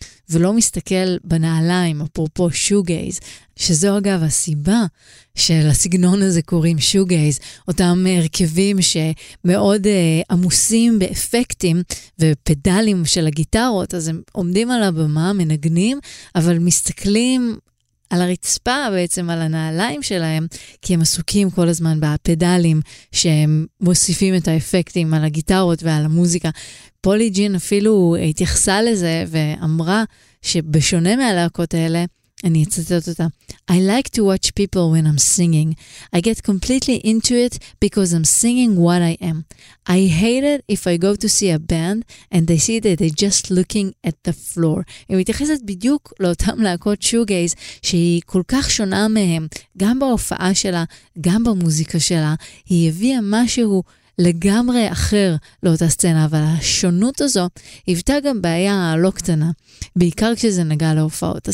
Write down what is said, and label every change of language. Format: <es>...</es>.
<he>ולא מסתכל בנעליים, אפרופו שוגייז, שזו אגב הסיבה של הסגנון הזה קוראים שוגייז, אותם הרכבים שמאוד עמוסים באפקטים ופדלים של הגיטרות, אז הם עומדים על הבמה, מנגנים, אבל מסתכלים על הרצפה בעצם, על הנעליים שלהם, כי הם עסוקים כל הזמן בפדלים שהם מוסיפים את האפקטים על הגיטרות ועל המוזיקה. פולי ג'ין אפילו התייחסה לזה ואמרה שבשונה מהלהקות האלה, אני אצטט אותה,</he> <en>I like to watch people when I'm singing. I get completely into it because I'm singing what I am. I hate it if I go to see a band and they see that they're just looking at the floor.</en> <he>היא מתייחסת בדיוק לאותם להקות שוגייז שהיא כל כך שונה מהם, גם בהופעה שלה, גם במוזיקה שלה, היא הביאה משהו לגמרי אחר לאותה סצנה, אבל השונות הזו הבטא גם בעיה לא קטנה, בעיקר כשזה נגע להופעות.</he>